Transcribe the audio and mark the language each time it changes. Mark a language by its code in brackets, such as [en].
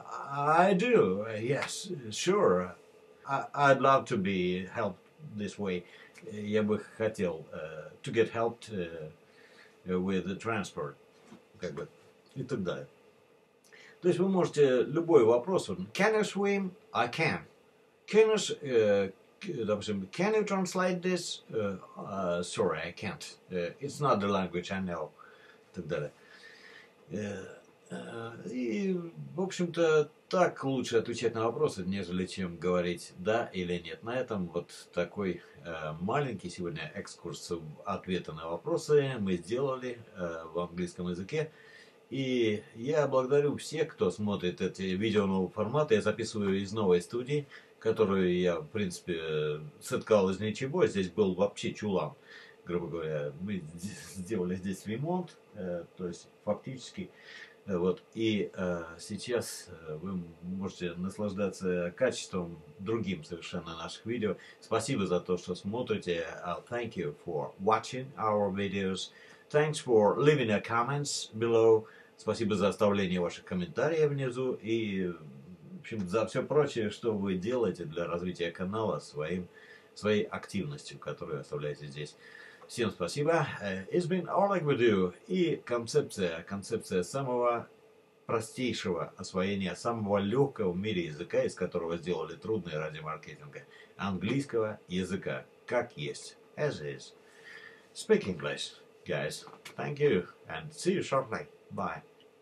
[en] I do, yes, sure. I'd love to be helped this way. [ru] Я бы хотел [en] to get helped with the transport. [ru] Как бы. И так далее. То есть вы можете любой вопрос. [en] Can you swim? I can. Can you, [ru] допустим, [en] can you translate this? Sorry, I can't. It's not the language I know. [ru] И так далее. И, в общем-то, так лучше отвечать на вопросы, нежели чем говорить да или нет. На этом вот такой маленький сегодня экскурс в ответы на вопросы мы сделали в английском языке. И я благодарю всех, кто смотрит эти видео нового формата. Я записываю из новой студии, которую я, в принципе, соткал из ничего. Здесь был вообще чулан, грубо говоря. Мы сделали здесь ремонт, то есть фактически. Вот. И сейчас вы можете наслаждаться качеством другим совершенно наших видео. Спасибо за то, что смотрите. [en] Thank you for watching our videos. Thanks for leaving your comments below. [ru] Спасибо за оставление ваших комментариев внизу и, в общем, за все прочее, что вы делаете для развития канала своей активностью, которую оставляете здесь. Всем спасибо. [en] It's been Oleg with you. [ru] И концепция самого простейшего освоения, самого легкого в мире языка, из которого сделали трудное ради маркетинга, английского языка, как есть. [en] As is. Speak English, guys. Thank you and see you shortly. Bye.